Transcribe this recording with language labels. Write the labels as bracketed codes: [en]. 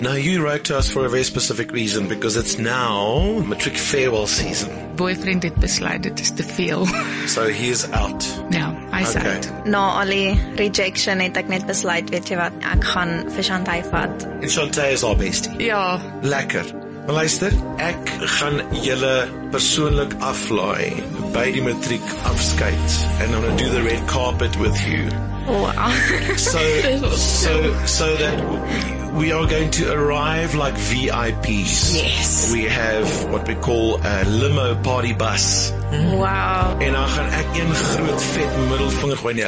[en] Now, you wrote to us for a very specific reason, because it's now matric farewell season. [af] Boyfriend het besluit, it is te veel. [en] So he is out. [af] Ja, hy is out. Na al die rejection het ek net besluit, weet jy wat, ek gaan vir Shantay vat. [en] And Shantay is our bestie. [af] Ja. Lekker. Luister, ek gaan julle persoonlik aflaai by die matriek afskeid. [en] And I'm going to do the red carpet with you. Wow. So that we are going to arrive like VIPs. Yes. We have what we call a limo party bus. Wow. [af] En dan gaan ek een groot vet middelvinger gooi nie.